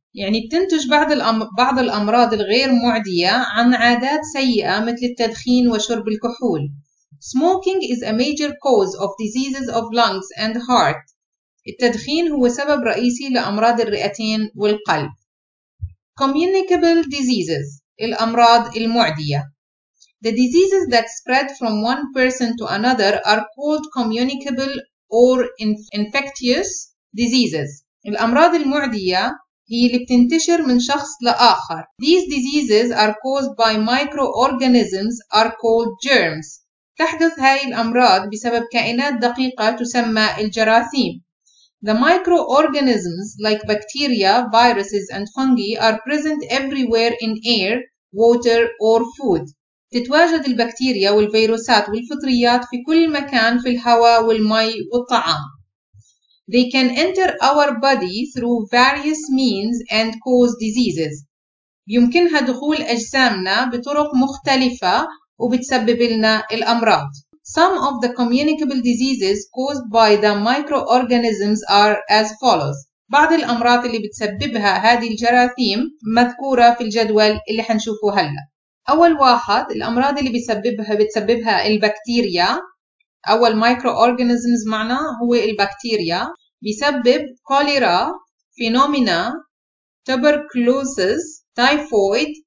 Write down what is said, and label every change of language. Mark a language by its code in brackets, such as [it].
[ar] يعني بتنتج بعض الأمراض الغير معدية عن عادات سيئة مثل التدخين وشرب الكحول. [en] Smoking is a major cause of diseases of lungs and heart. [ar] التدخين هو سبب رئيسي لأمراض الرئتين والقلب. [en] Communicable diseases، [ar] الأمراض المعدية. [en] The diseases that spread from one person to another are called communicable or infectious diseases. [ar] الأمراض المعدية هي اللي بتنتشر من شخص لآخر. [en] These diseases are caused by microorganisms are called germs. [ar] تحدث هاي الأمراض بسبب كائنات دقيقة تسمى الجراثيم. [en] The microorganisms like bacteria, viruses and fungi are present everywhere in air, water or food. [ar] تتواجد البكتيريا والفيروسات والفطريات في كل مكان، في الهواء والماء والطعام. [en] They can enter our body through various means and cause diseases. [ar] يمكنها دخول أجسامنا بطرق مختلفة وبتسبب لنا الأمراض. [en] Some of the communicable diseases caused by the microorganisms are as follows. [ar] بعض الأمراض اللي بتسببها هذه الجراثيم مذكورة في الجدول اللي حنشوفه هلا. أول واحد الأمراض اللي بتسببها البكتيريا، أول مايكرو أورجانيزمز معنا هو البكتيريا، بيسبب كوليرا، فينومينا، توبركلوسيس، تايفويد،